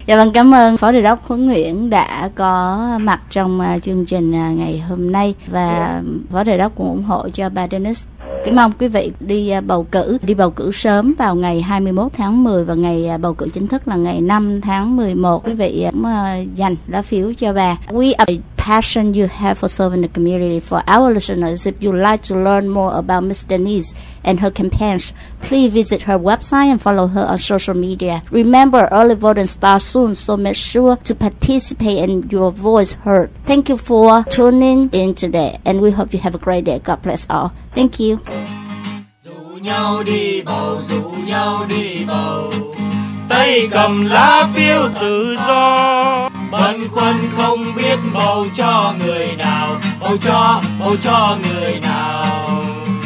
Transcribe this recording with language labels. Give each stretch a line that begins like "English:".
Vietnamese: Dạ vâng, cảm ơn Phó Đại đốc Huấn Nguyễn đã có mặt trong chương trình ngày hôm nay. Và Phó Đại đốc cũng ủng hộ cho bà Dennis. Kính mong quý vị đi bầu cử sớm vào ngày 21 tháng 10 và ngày bầu cử chính thức là ngày 5 tháng 11. Quý vị cũng dành lá phiếu cho bà.
English: We are the passion you have for serving the community. For our listeners, if you'd like to learn more about Ms. Denise and her campaigns, please visit her website and follow her on social media. Remember, early voting starts soon, so make sure to participate and your voice heard. Thank you for tuning in today, and we hope you have a great day. God bless all. Thank you.
Vietnamese: Dù nhau đi bầu, dù nhau đi bầu, tay cầm lá phiếu tự do. Bần quân không biết bầu cho người nào, bầu cho người nào.